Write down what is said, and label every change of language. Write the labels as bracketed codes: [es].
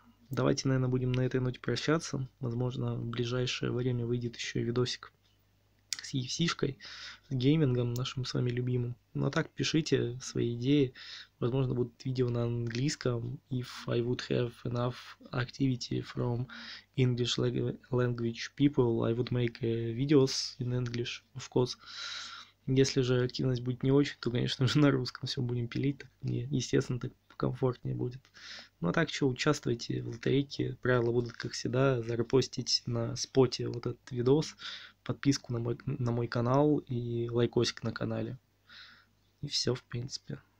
[ru] Давайте, наверное, будем на этой ноте прощаться. Возможно, в ближайшее время выйдет еще и видосик с UFC-шкой, с геймингом нашим с вами любимым. Ну а так, пишите свои идеи. Возможно, будут видео на английском. [en] If I would have enough activity from English language people, I would make videos in English, of course. [ru] Если же активность будет не очень, то, конечно же, на русском все будем пилить. Так мне, естественно, так комфортнее будет. Ну а так, что, участвуйте в лотерейке. Правила будут, как всегда, зарепостить на споте вот этот видос, подписку на мой канал и лайкосик на канале. И все, в принципе.